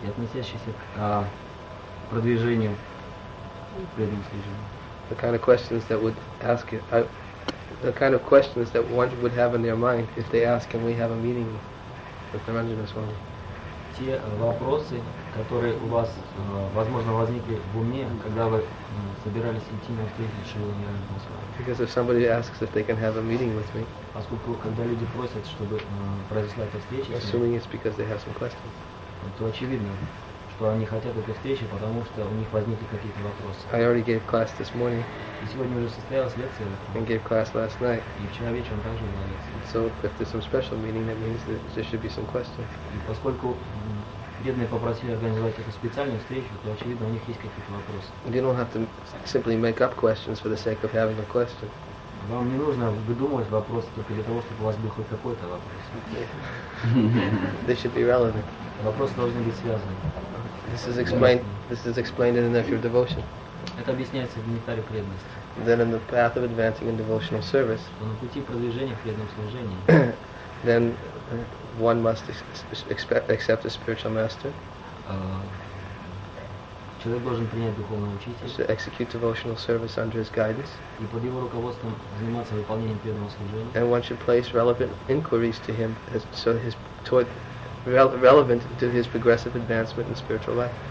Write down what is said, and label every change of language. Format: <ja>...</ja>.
<ru>И относящиеся к продвижению, преданному служению.</ru> <en>The kind of questions that one would have in their mind if they ask, can we have a meeting with the Ranjana Swami?</en> <ru>Те вопросы, которые у вас, возможно, возникли в уме, когда вы собирались интимно встретиться с Шрилой Ранджана Свами.</ru> <en>Because if somebody asks if they can have a meeting with me,</en> <ru>поскольку когда люди просят, чтобы произошла эта встреча,</ru> <en>assuming it's because they have some questions,</en> <ru>то очевидно, что они хотят этой встречи, потому что у них возникли какие-то вопросы.</ru> <en>I already gave class this morning.</en> <ru>И сегодня уже состоялась лекция.</ru> <en>I gave class last night.</en> <ru>И вчера вечером также была лекция.</ru> <en>So if there's some special meeting, that means that there should be some questions.</en> <ru>И поскольку преданные попросили организовать эту специальную встречу, то очевидно у них есть какие-то вопросы.</ru> <en>You don't have to simply make up questions for the sake of having a question.</en> <ru>Вам не нужно выдумывать вопросы только для того, чтобы у вас был хоть какой-то вопрос.</ru> <en>They should be relevant.</en> <ru>Вопросы должны быть связаны.</ru> <en>This is explained in the nature of devotion.</en> <ru>Это объясняется в нектаре преданности.</ru> <en>Then in the path of advancing in devotional service.</en> <ru>На пути продвижения в преданном служении.</ru> <en>Then one must accept a spiritual master.</en> <ru>Человек должен принять духовного учителя.</ru> <en>To execute devotional service under his guidance.</en> <ru>И под его руководством заниматься выполнением преданного служения.</ru> <en>And one should place relevant inquiries to him as, so his toward relevant to his progressive advancement in spiritual life.</en>